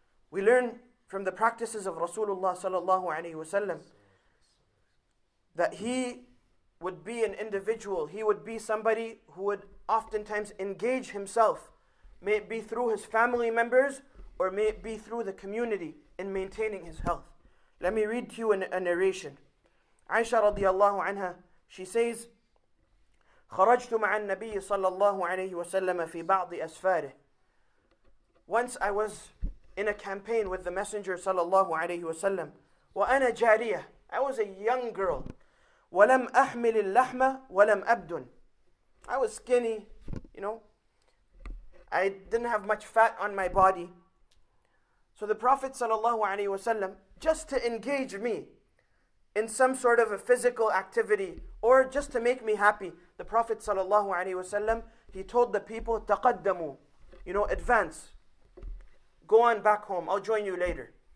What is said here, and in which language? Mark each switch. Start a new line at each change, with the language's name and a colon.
English: We learn from the practices of Rasulullah sallallahu alayhi wasallam that he would be an individual, he would be somebody who would oftentimes engage himself, may it be through his family members or may it be through the community, in maintaining his health. Let me read to you a narration.
Arabic: Aisha radiallahu anha,
English: she says,
Arabic: خرجت مع النبي صلى الله عليه وسلم في بعض أسفاره.
English: Once I was in a campaign with the Messenger صلى الله عليه وسلم.
Arabic: وأنا جارية.
English: I was a young girl.
Arabic: ولم أحمل اللحمة ولم أبدن.
English: I was skinny, you know. I didn't have much fat on my body. So the Prophet صلى الله عليه وسلم, just to engage me in some sort of a physical activity or just to make me happy, the Prophet sallallahu alaihi wasallam, he told the people, taqaddamu, you know, advance, go on back home, I'll join you later.